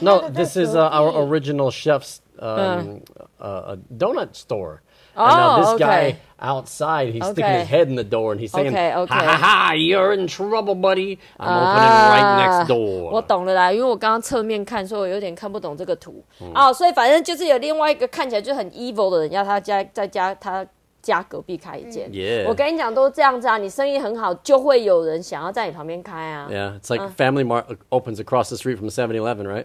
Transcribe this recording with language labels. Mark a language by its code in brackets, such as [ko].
[en] No, this is our original chef's donut store. And now this guy outside, he's sticking his head in the door, and he's saying, ha, ha, ha, you're in trouble, buddy. I'm opening right next door. [zh] 我懂了啦，因为我刚刚侧面看，所以我有点看不懂这个图。所以反正就是有另外一个看起来就很 evil 的人，要他家在家他家隔壁开一间。 [en] Yeah. [zh] 我跟你讲，都这样子啊，你生意很好，就会有人想要在你旁边开啊。 [en] Yeah, it's like Family Mart opens across the street from 7-Eleven, right?